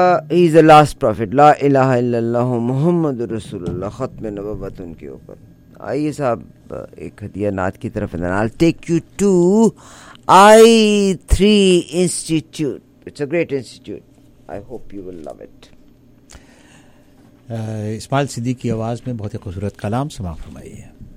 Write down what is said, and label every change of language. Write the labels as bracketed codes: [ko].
[en] he is the last prophet, [ar] لا الہ الا اللہ محمد رسول اللہ, [ur] ختم نبوت ان کے اوپر. آئیے صاحب, ایک ہدیہ نعت کی طرف. [en] I'll take you to I3 Institute. It's a great institute. I hope you will love it. [ur] اسماعیل صدیقی کی آواز میں بہت ہی خوبصورت کلام سماع فرمائی ہے.